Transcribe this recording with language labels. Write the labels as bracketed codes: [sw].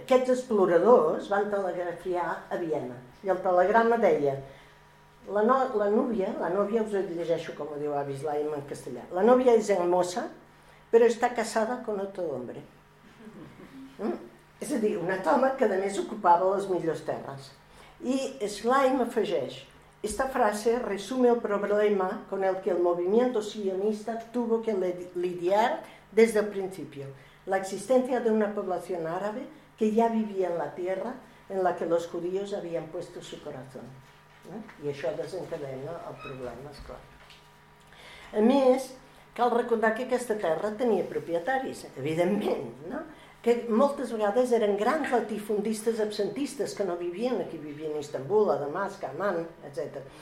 [ca] Aquests exploradors van telegrafiar a Viena i el telegrama deia: la nòvia, us ho llegeixo com ho diu Avis Laim en castellà, la nòvia és hermosa, però està casada [es] con otro hombre. [ca] És a dir, un home que a més ocupava les millors terres. I Slaim afegeix: [es] esta frase resume el problema con el que el movimiento sionista tuvo que lidiar desde el principio. La existencia de una población árabe que ya vivía en la tierra en la que los judíos habían puesto su corazón. [ca] I això desencadena el problema, esclar. A més, cal recordar que aquesta terra tenia propietaris, evidentment, que moltes vegades eren grans latifundistes absentistes que no vivien aquí, vivien a Istanbul, a Damasc, a Amman, etc.